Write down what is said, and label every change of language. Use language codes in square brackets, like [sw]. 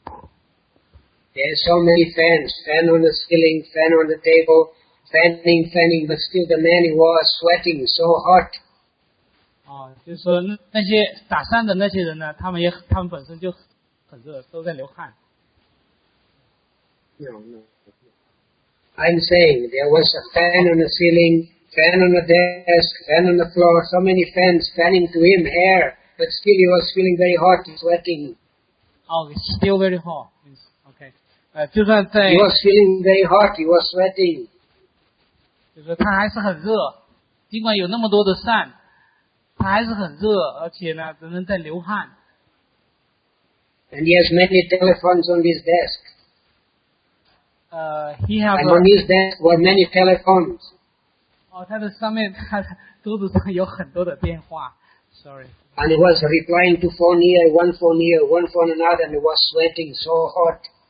[en] There are so many fans, fan on the ceiling, fan on the table, fanning, but still the man was sweating so hot. [zh] 哦，就是说那些打扇的那些人呢，他们本身就。很热，都在流汗。 [en] No, no, I'm saying there was a fan on the ceiling, fan on the desk, fan on the floor, so many fans fanning to him, hair, but still he was feeling very hot, sweating. Oh, it's still very hot. It's, okay. [zh] 就算在, [en] he was feeling very hot, he was sweating. [zh] 就是他还是很热, 尽管有那么多的扇, 他还是很热, 而且呢, 只能在流汗。 [en] And he has many telephones on his desk. He has and on his desk were many telephones. [zh] 哦，他的上面，他桌子上有很多的电话。 [en] Sorry. And he was replying to phone here, one phone here, one phone another, and he was sweating so hot.